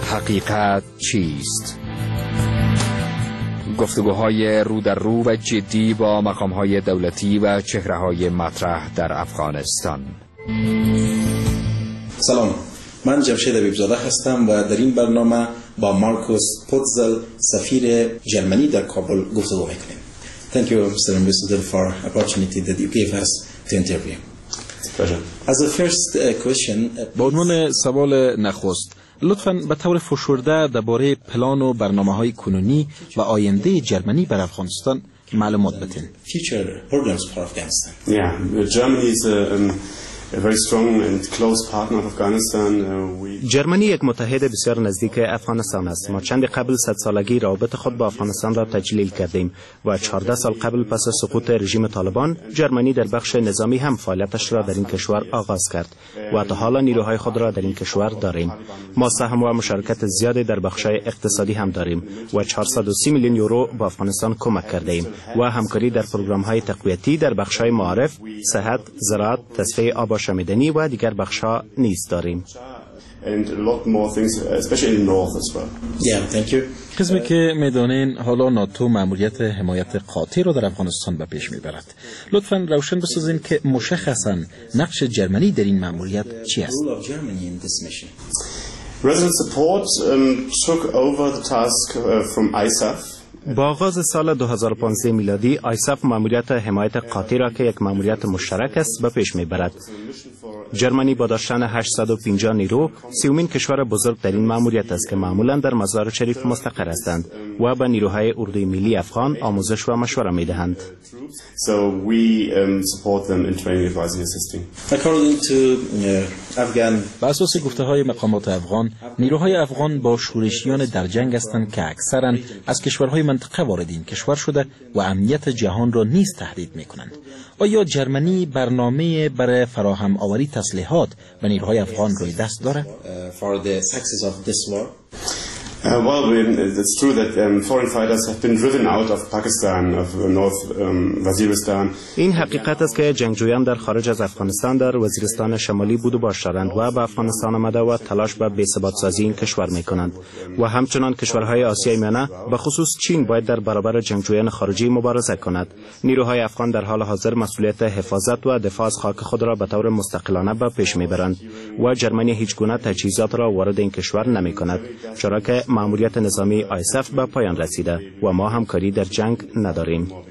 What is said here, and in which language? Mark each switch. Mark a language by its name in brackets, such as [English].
[Persian] حقیقت چیست؟ گفتگوهای رو در رو و جدی با مقامهای دولتی و چهرههای مطرح در افغانستان. سلام، من جمشید عبیب‌زاده هستم و در این برنامه با مارکوس پوتزل سفیر جرمنی در کابل گفتگو میکنیم. [English] Thank you, Mr. Ambassador, for the opportunity that you gave us to interview. Pleasure. As a first question, [Persian] با عنوان سوال نخست، لطفاً به طور فشرده درباره پلان و برنامه های کنونی و آینده جرمنی بر افغانستان معلومات بدین. [English] Future programs for Afghanistan. Yeah, Germany is a very strong and close partner of Afghanistan. [Persian] جرمنی یک متحد بسیار نزدیک افغانستان است. ما چند قبل 100 سالگی رابطه خود با افغانستان را تجلیل کردیم و 14 سال قبل پس از سقوط رژیم طالبان جرمنی در بخش نظامی هم فعالیتش را در این کشور آغاز کرد و تا حالا نیروهای خود را در این کشور داریم. ما سهم و مشارکت زیادی در بخش‌های اقتصادی هم داریم و 430 میلیون یورو با افغانستان کمک کردیم و همکاری در پروگرام‌های تقویتی در بخش‌های معارف، صحت، زراعت، تصفیه آب و شمیدنی و دیگر بخش‌ها نیز داریم. [English] And a lot more things, especially in the north as well. Yeah, thank you. [Persian] قسمی که میدانین حالا ناتو ماموریت حمایت قاطع رو در افغانستان به پیش میبرد. لطفاً روشن بسازین که مشخصاً نقش جرمنی در این ماموریت چی است. [English] Resident support took over the task from ISAF. [Persian] با آغاز سال 2015 میلادی ISAF ماموریت حمایت قاطع را که یک ماموریت مشترک است به پیش میبرد. جرمنی با داشتن 850 نیرو، سومین کشور بزرگ در این ماموریت است که معمولاً در مزار شریف مستقر هستند و به نیروهای اردوی ملی افغان آموزش و مشوره می دهند. به اساس گفته های مقامات افغان، نیروهای افغان با شورشیان در جنگ هستند که اکثراً از کشورهای منطقه وارد این کشور شده و امنیت جهان را نیز تهدید می کنند. آیا جرمنی برنامه برای فراهم آوری تسلیحات به نیروهای افغان روی دست دارد؟ [English] It's true that foreign fighters have been driven out of Pakistan, of North Waziristan. [Persian] این حقیقت است که جنگجویان در خارج از افغانستان در وزیرستان شمالی بود و باشند و به افغانستان آمده و تلاش به بی‌ثبات سازی این کشور می‌کنند. و همچنان کشورهای آسیای میانه، به خصوص چین، باید در برابر جنگجویان خارجی مبارزه کند. نیروهای افغان در حال حاضر مسئولیت حفاظت و دفاع از خاک خود را به طور مستقلانه به پیش می‌برند و جرمنی هیچ گونه تجهیزات را وارد این کشور نمی‌کند، چرا که ماموریت نظامی ISF به پایان رسیده و ما همکاری در جنگ نداریم.